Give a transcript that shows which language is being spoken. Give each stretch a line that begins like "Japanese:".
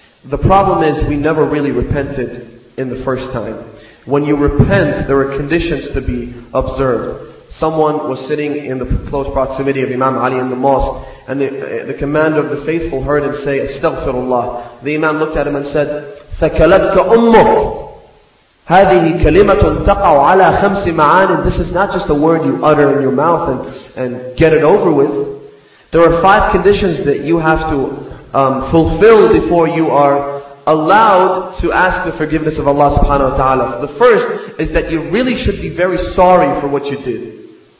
English: The problem is we never really repented in the first time. When you repent, there are conditions to be observed. Someone was sitting in the close proximity of Imam Ali in the mosque, and the commander of the faithful heard him say, Astaghfirullah. The Imam looked at him and said,
Arabic: ثَكَلَتْكَ أُمُّكَ هَذِهِ كَلِمَةٌ تَقَعُ عَلَى خَمْسِ مَعَانٍ.
English: This is not just a word you utter in your mouth and get it over with. There are five conditions that you have to fulfill before you are allowed to ask the forgiveness of Allah subhanahu wa ta'ala. The first is that you really should be very sorry for what you did.